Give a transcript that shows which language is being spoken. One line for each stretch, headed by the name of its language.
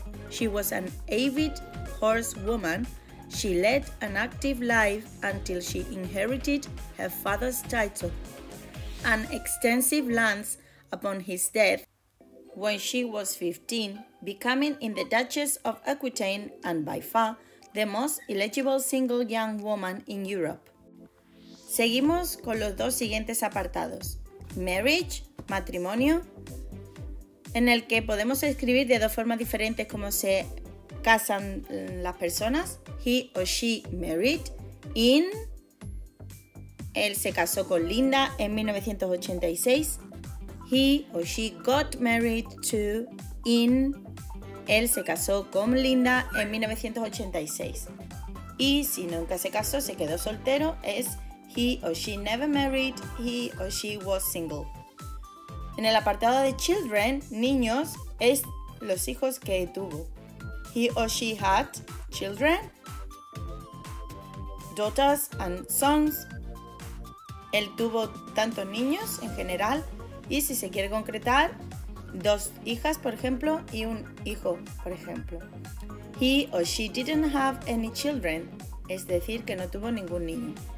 English: She was an avid horsewoman. She led an active life until she inherited her father's title and extensive lands upon his death when she was 15, becoming in the Duchess of Aquitaine and by far the most eligible single young woman in Europe.
Spanish: Seguimos con los dos siguientes apartados. Marriage, matrimonio, en el que podemos escribir de dos formas diferentes cómo se casan las personas.
English: He o she married in,
Spanish: él se casó con Linda en 1986.
English: He o she got married to in,
Spanish: él se casó con Linda en 1986. Y si nunca se casó, se quedó soltero, es
English: he o she never married, he or she was single.
Spanish: En el apartado de children, niños, es los hijos que tuvo.
English: He or she had children, daughters and sons.
Spanish: Él tuvo tantos niños en general. Y si se quiere concretar, dos hijas, por ejemplo, y un hijo, por ejemplo.
English: He or she didn't have any children,
Spanish: es decir, que no tuvo ningún niño.